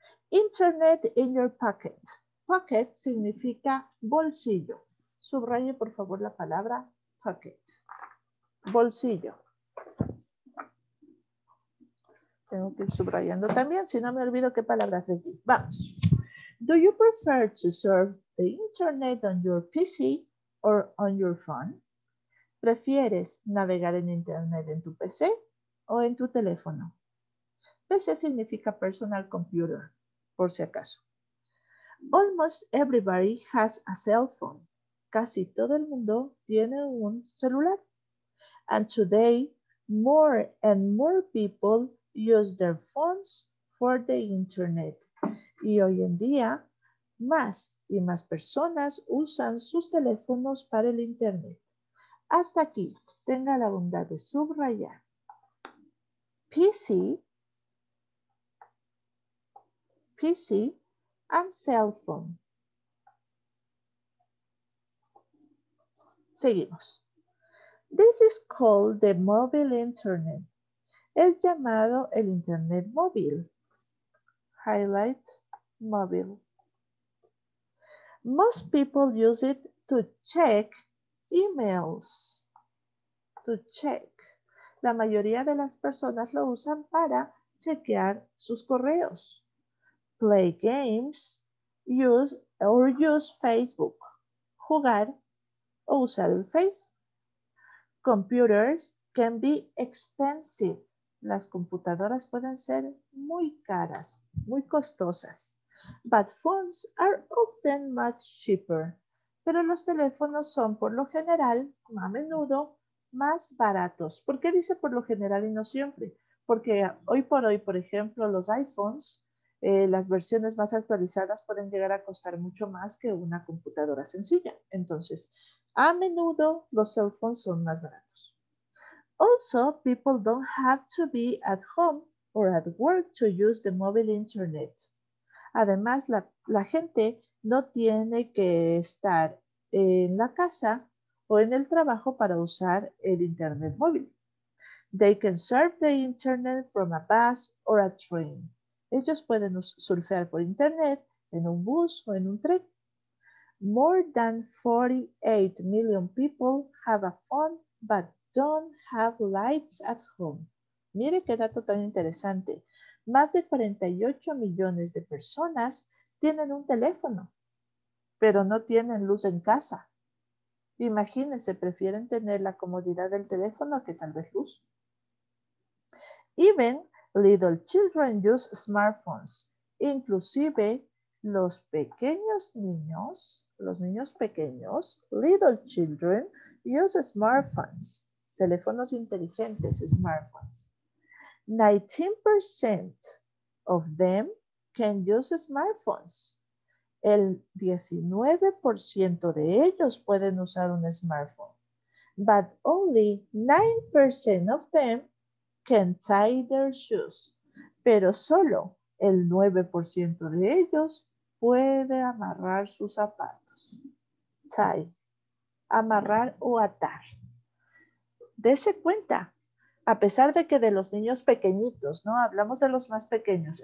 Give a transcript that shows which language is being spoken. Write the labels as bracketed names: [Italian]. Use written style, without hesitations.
[English] Internet in your pocket. Pocket [Spanish] significa bolsillo. Subraye, por favor, la palabra pocket. Bolsillo. Tengo que ir subrayando también, si no me olvido qué palabras les di. Vamos. [English] Do you prefer to surf the internet on your PC or on your phone? [Spanish] ¿Prefieres navegar en internet en tu PC o en tu teléfono? PC significa personal computer, por si acaso. [English] Almost everybody has a cell phone. [Spanish] Casi todo el mundo tiene un celular. [English] And today, more and more people use their phones for the internet. [Spanish] Y hoy en día, más y más personas usan sus teléfonos para el internet. Hasta aquí, tenga la bondad de subrayar. [English] PC and cell phone. [Spanish] Seguimos. [English] This is called the mobile internet. [Spanish] Es llamado el internet móvil. [English] Highlight mobile. Most people use it to check emails, to check. [Spanish] La mayoría de las personas lo usan para chequear sus correos. [English] Play games, use Facebook. [Spanish] Jugar o usar el Face. [English] Computers can be expensive. [Spanish] Las computadoras pueden ser muy caras, muy costosas. [English] But phones are often much cheaper. [Spanish] Pero los teléfonos son, por lo general, a menudo, más baratos. ¿Por qué dice por lo general y no siempre? Porque hoy, por ejemplo, los iPhones, las versiones más actualizadas pueden llegar a costar mucho más que una computadora sencilla. Entonces, a menudo, los cell phones son más baratos. [English] Also, people don't have to be at home or at work to use the mobile internet. [Spanish] Además, la gente no tiene que estar en la casa o en el trabajo para usar el internet móvil. [English] They can surf the internet from a bus or a train. [Spanish] Ellos pueden surfear por internet en un bus o en un tren. [English] More than 48 million people have a phone but don't have lights at home. [Spanish] Mire qué dato tan interesante. Más de 48 millones de personas tienen un teléfono, pero no tienen luz en casa. Imagínense, prefieren tener la comodidad del teléfono que tal vez luz. [English] Even little children use smartphones. [Spanish] Inclusive los pequeños niños, [English] little children use smartphones, [Spanish] teléfonos inteligentes, smartphones. [English] 19% of them can use smartphones. [Spanish] El 19% de ellos pueden usar un smartphone. [English] But only 9% of them can tie their shoes. [Spanish] Pero solo el 9% de ellos puede amarrar sus zapatos. Tie. Amarrar o atar. Dese cuenta. A pesar de que de los niños pequeñitos, ¿no? Hablamos de los más pequeños.